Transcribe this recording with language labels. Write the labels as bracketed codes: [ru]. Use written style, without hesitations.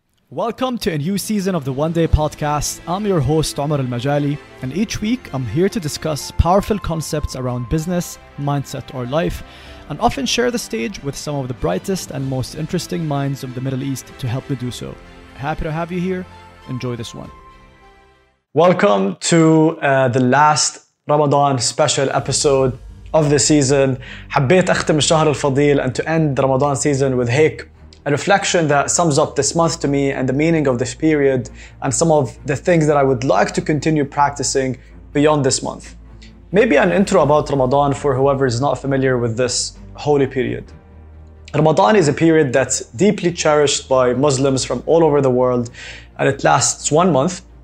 [en] Welcome to a new season of the One Day Podcast. I'm your host, Omar Al-Majali, and each week I'm here to discuss powerful concepts around business, mindset, or life, and often share the stage with some of the brightest and most interesting minds of the Middle East to help me do so. Happy to have you here. Enjoy this one. Welcome to the last Ramadan special episode of the season. [ar] حبيت أختم الشهر الفضيل [en] and to end Ramadan season with [ar] هيك. [en] A reflection that sums up this month to me and the meaning of this period and some of the things that I would like to continue practicing beyond this month. Maybe an intro about Ramadan for whoever is not familiar with this holy period. Ramadan is a period that's deeply cherished by Muslims from all over the world, and it lasts 1 month.